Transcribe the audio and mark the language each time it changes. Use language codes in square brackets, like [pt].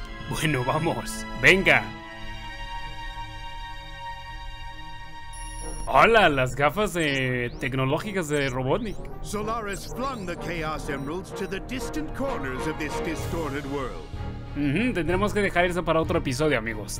[es] Bueno, vamos. Venga. Hola, las gafas tecnológicas de Robotnik. [en] Solaris flung the Chaos Emeralds to the distant corners of this distorted world. [es] Tendremos que dejar eso para otro episodio, amigos.